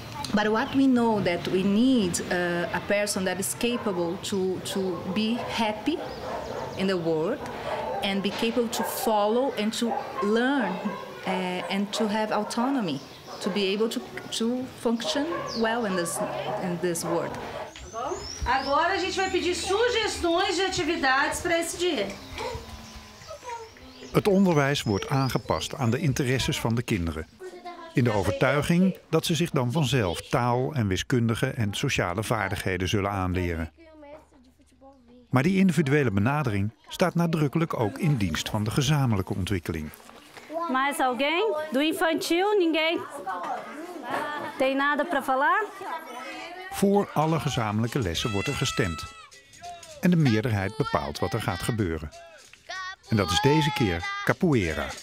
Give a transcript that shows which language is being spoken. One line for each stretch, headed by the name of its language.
English: But what we know that we need a person that is capable to be happy in the world and be capable to follow and to learn and to have autonomy, to be able to function well in this world.
Portuguese: Agora a gente vai pedir sugestões de atividades para esse dia.
Dutch: Het onderwijs wordt aangepast aan de interesses van de kinderen. In de overtuiging dat ze zich dan vanzelf taal en wiskundige en sociale vaardigheden zullen aanleren. Maar die individuele benadering staat nadrukkelijk ook in dienst van de gezamenlijke ontwikkeling.
Portuguese: Maar is alguém do infantil, ninguém tem nada para falar?
Dutch: Voor alle gezamenlijke lessen wordt er gestemd. En de meerderheid bepaalt wat er gaat gebeuren. En dat is deze keer capoeira.